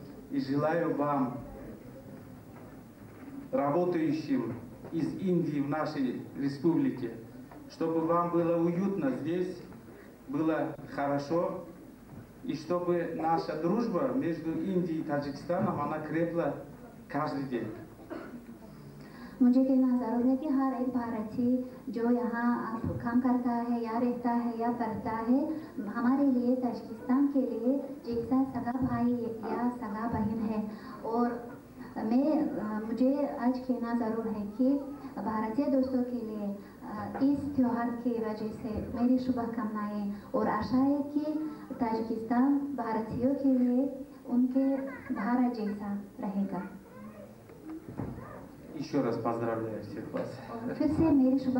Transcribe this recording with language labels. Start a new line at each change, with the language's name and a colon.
Russian: И желаю вам, работающим из Индии в нашей республике, чтобы вам было уютно здесь, было хорошо, и чтобы наша дружба между Индией и Таджикистаном, она крепла каждый день.
Hindi: मुझे कहना ज़रूरी है कि हर एक भारतीय जो यहाँ काम करता है या रहता है या पढ़ता है हमारे लिए ताजिकिस्तान के लिए जैसा सगा भाई या सगा बहन है और मैं मुझे आज कहना ज़रूर है कि भारतीय दोस्तों के लिए इस त्यौहार की वजह से मेरी शुभकामनाएँ और आशा है कि ताजिकिस्तान भारतीयों के लिए उनके भारत जैसा रहेगा।
Russian: Еще раз поздравляю всех вас.